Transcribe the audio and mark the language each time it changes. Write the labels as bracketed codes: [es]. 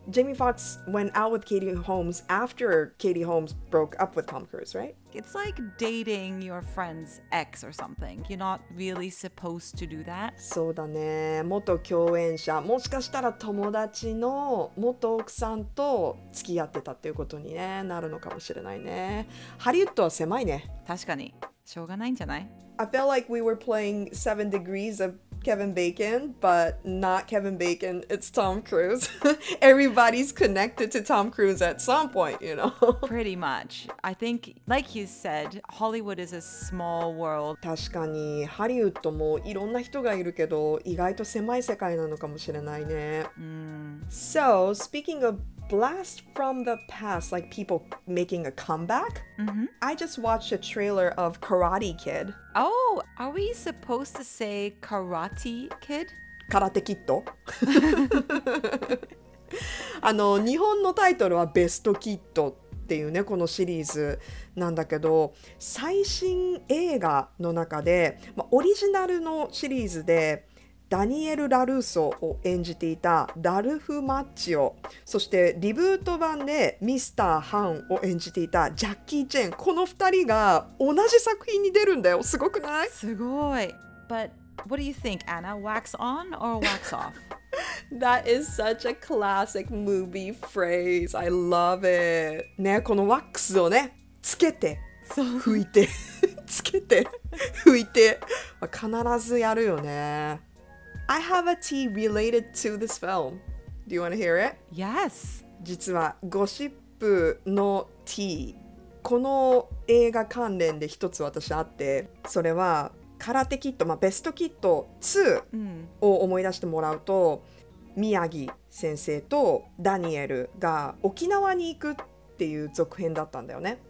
[en] Jamie Foxx went out with Katie Holmes after Katie Holmes broke up with Tom Cruise, right? It's like dating your friend's ex or something. You're not really supposed to do that. [ja] そうだね。元共演者、もしかしたら友達の元奥さんと付き合ってたっていうことに、ね、なるのかもしれないね。ハリウッドは狭いね。確かに。しょうがないんじゃない? [en] I felt like we were playing Seven Degrees of Kevin Bacon, but not Kevin Bacon, it's Tom Cruise. Everybody's connected to Tom Cruise at some point, you know? Pretty much. I think, like you said, Hollywood is a small world. [ja] 確かに、ハリウッドもいろんな人がいるけど、意外と狭い世界なのかもしれないね。 [en] So, speaking of Blast from the past, like people making a comeback. Mm-hmm. I just watched a trailer of Karate Kid. Oh, are we supposed to say Karate Kid? Karate Kid? [ja] あの、日本のタイトルはベストキッドっていうねこのシリーズなんだけど、最新映画の中で、まあ、オリジナルのシリーズでダニエル・ラルーソを演じていたラルフ・マッチオ、そしてリブート版でミスター・ハンを演じていたジャッキー・チェン、この2人が同じ作品に出るんだよ、すごくない？すごい。 [en] But what do you think, Anna? Wax on or wax off? That is such a classic movie phrase. I love it. [ja] ね、このワックスをね、つけて、拭いて、つけて、拭いて、まあ、必ずやるよね。 [en] I have a tea related to this film. Do you want to hear it? Yes. [ja] 実はゴシップの tea、 この映画関連で一つ私あって、それはカラテキッド、まあ、ベストキッド2を思い出してもらうと、宮城先生とダニエルが沖縄に行くっていう続編だったんだよね。